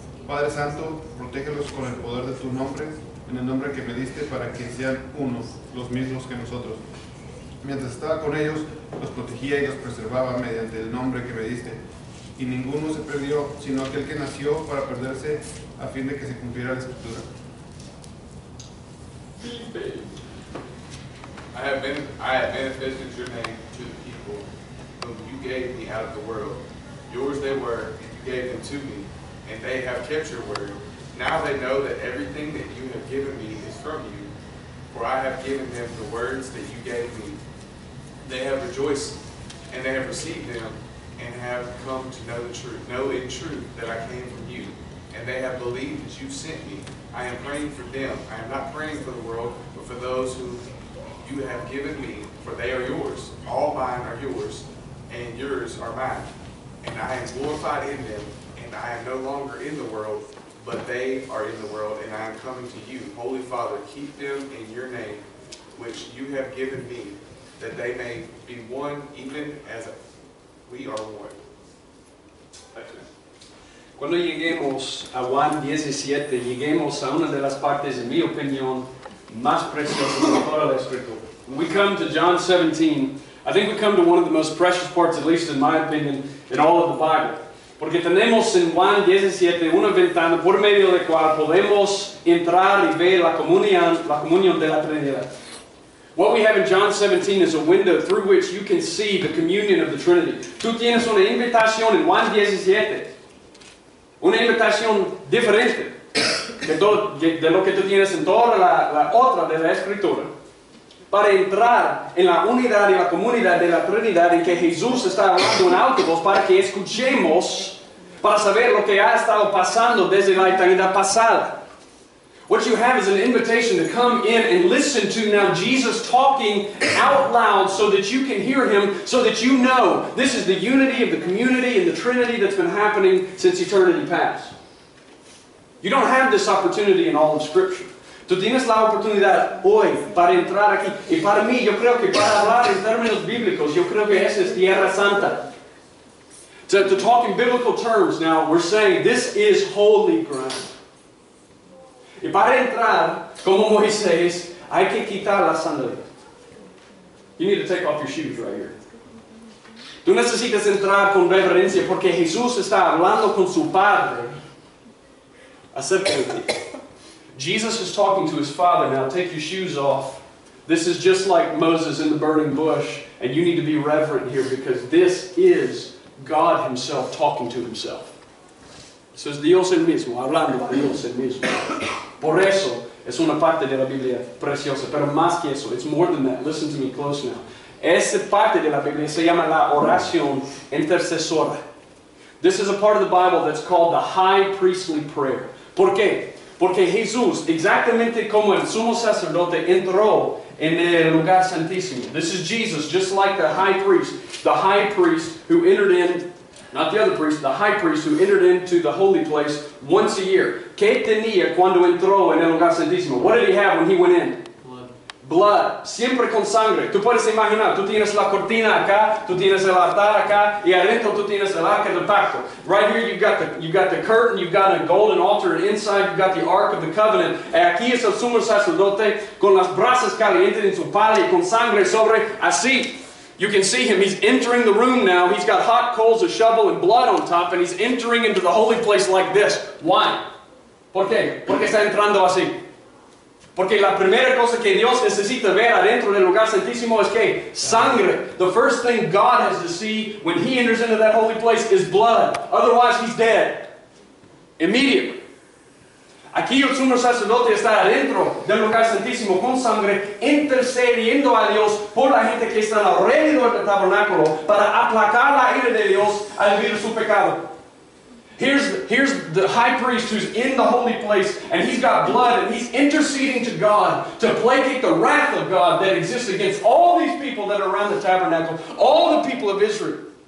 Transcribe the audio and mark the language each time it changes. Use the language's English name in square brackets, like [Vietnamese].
[Spanish] Padre Santo, protégelos con el poder de tu nombre, en el nombre que me diste, para que sean unos, los mismos que nosotros. Mientras estaba con ellos, los protegía y los preservaba mediante el nombre que me diste. y ninguno se perdió, sino aquel que nació para perderse a fin de que se cumpliera la escritura. [English] I have manifested your name to the people whom you gave me out of the world. Yours they were, and you gave them to me, and they have kept your word. Now they know that everything that you have given me is from you, for I have given them the words that you gave me. They have rejoiced, and they have received them, and have come to know the truth, know in truth that I came from you, and they have believed that you sent me. I am praying for them. I am not praying for the world, but for those who you have given me, for they are yours. All mine are yours, and yours are mine. And I am glorified in them, and I am no longer in the world, but they are in the world, and I am coming to you. Holy Father, keep them in your name, which you have given me, that they may be one, even as we are one. [Spanish] Cuando lleguemos a Juan 17, lleguemos a una de las partes, en mi opinión, más preciosas de toda la Escritura. [English] When we come to John 17, I think we come to one of the most precious parts, at least in my opinion, in all of the Bible. [Spanish] Porque tenemos en Juan 17 una ventana por medio de la cual podemos entrar y ver la comunión de la Trinidad. [English] What we have in John 17 is a window through which you can see the communion of the Trinity. [Spanish] Tú tienes una invitación en Juan 17. Una invitación diferente de lo que tú tienes en toda la otra de la Escritura para entrar en la unidad y la comunidad de la Trinidad en que Jesús está hablando en altavoz para que escuchemos, para saber lo que ha estado pasando desde la eternidad pasada. [English] What you have is an invitation to come in and listen to now Jesus talking out loud so that you can hear him, so that you know this is the unity of the community and the Trinity that's been happening since eternity past. You don't have this opportunity in all of Scripture. [Spanish] Tú tienes la oportunidad hoy para entrar aquí. Y para mí, yo creo que para hablar en términos bíblicos, yo creo que esa es Tierra Santa. [English] To talk in biblical terms now, we're saying this is holy ground. [Spanish] Y para entrar, como Moisés, hay que quitar las sandalias. [English] You need to take off your shoes right here. [Spanish] Tú necesitas entrar con reverencia porque Jesús está hablando con su Padre. Acepta de ti. [English] Jesus is talking to his Father. Now take your shoes off. This is just like Moses in the burning bush. And you need to be reverent here because this is God himself talking to himself. [Spanish] So es Dios el mismo, hablando a Dios el mismo. Por eso, es una parte de la Biblia preciosa. Pero más que eso, [English] it's more than that. Listen to me close now. [Spanish] Esa parte de la Biblia se llama la oración intercesora. [English] This is a part of the Bible that's called the high priestly prayer. [Spanish] ¿Por qué? Porque Jesús, exactamente como el sumo sacerdote, entró en el lugar santísimo. [English] This is Jesus, just like the high priest. The high priest who entered in, not the other priest, the high priest who entered into the holy place once a year. [Spanish] ¿Qué tenía cuando entró en el lugar santísimo? [English] What did he have when he went in? Blood. [Spanish] Siempre con sangre. Tú puedes imaginar, tú tienes la cortina acá, tú tienes el altar acá, y adentro tú tienes el arca del pacto. [English] Right here you've got the curtain, you've got a golden altar, and inside you've got the Ark of the Covenant. [Spanish] Aquí es el sumo sacerdote con las brasas calientes en su palo y con sangre sobre así. [English] You can see him. He's entering the room now. He's got hot coals, a shovel, and blood on top, and he's entering into the holy place like this. Why? [Spanish] ¿Por qué? ¿Por qué está entrando así? Porque la primera cosa que Dios necesita ver adentro del lugar santísimo es que sangre. [English] The first thing God has to see when he enters into that holy place is blood. Otherwise, he's dead. Immediately. [Spanish] Aquí el sumo sacerdote está adentro del lugar santísimo con sangre, intercediendo a Dios por la gente que está alrededor del tabernáculo para aplacar la ira de Dios al vivir su pecado. [English] Here's the high priest who's in the holy place, and he's got blood, and he's interceding to God to placate the wrath of God that exists against all these people that are around the tabernacle, all the people of Israel.